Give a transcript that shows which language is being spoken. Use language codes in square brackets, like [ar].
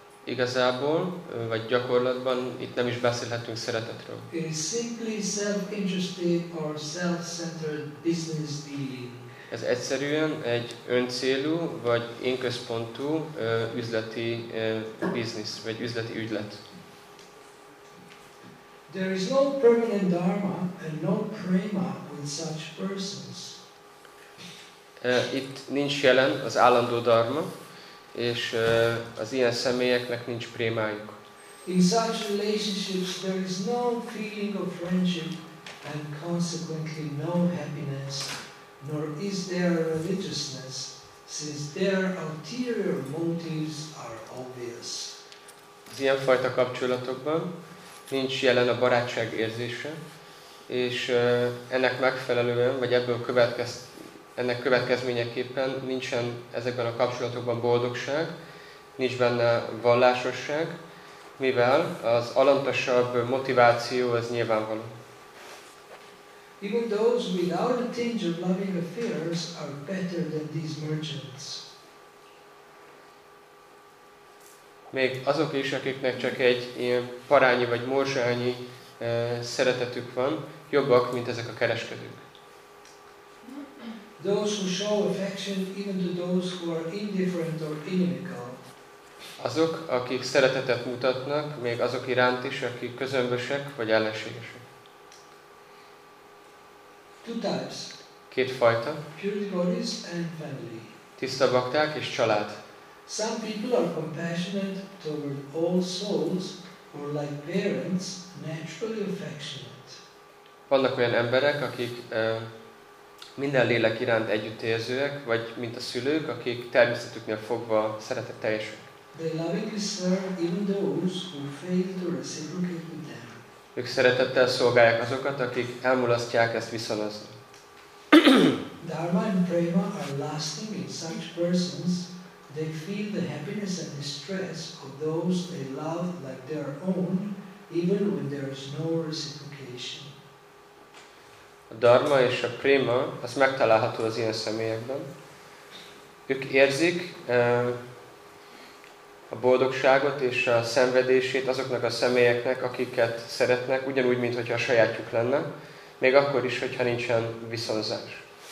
[hu] Igazából, vagy gyakorlatban itt nem is beszélhetünk szeretetről. [en] It is simply self-interested or self-centered business dealing. [hu] Ez egyszerűen egy öncélú vagy énközpontú üzleti business vagy üzleti ügylet. [en] There is no permanent dharma and no prema with such persons. [hu] Itt nincs jelen az állandó dharma, és az ilyen személyeknek nincs prémájuk. [en] In such relationships there is no feeling of friendship and consequently no happiness. Nor is there religiousness, since their ulterior motives are obvious. [hu] Az ilyenfajta kapcsolatokban nincs jelen a barátság érzése, és ennek megfelelően, vagy ebből ennek következményeképpen nincsen ezekben a kapcsolatokban boldogság, nincs benne vallásosság, mivel az alantasabb motiváció ez nyilvánvaló. [en] Even those without a tinge of loving affairs are better than these merchants. [hu] Még azok is, akiknek csak egy ilyen parányi vagy morzsányi szeretetük van, jobbak, mint ezek a kereskedők. [en] Those who show affection even to those who are indifferent or inimical. [hu] Azok, akik szeretetet mutatnak, még azok iránt is, akik közömbösek vagy ellenségesek. [en] Two types. [hu] Két fajta. [en] Pure devotees and family. [hu] Tiszta bakták és család. [en] Some people are compassionate toward all souls or like parents, naturally affectionate. [hu] Vannak olyan emberek, akik minden lélek iránt együttérzőek, vagy mint a szülők, akik természetüknél fogva szeretetteljesek. [en] They lovingly serve even those who fail to reciprocate with them. [hu] Ők szeretettel szolgálják azokat, akik elmulasztják ezt viszonozni. [en] Dharma and prema are lasting in such persons. They feel the happiness and distress of those they love like their own, even when there is no reciprocation. [hu] A dharma és a prema, az megtalálható az ilyen személyekben. Ők érzik a boldogságot és a szenvedését azoknak a személyeknek, akiket szeretnek, ugyanúgy, mintha a sajátjuk lenne, még akkor is, hogyha nincsen viszonzás.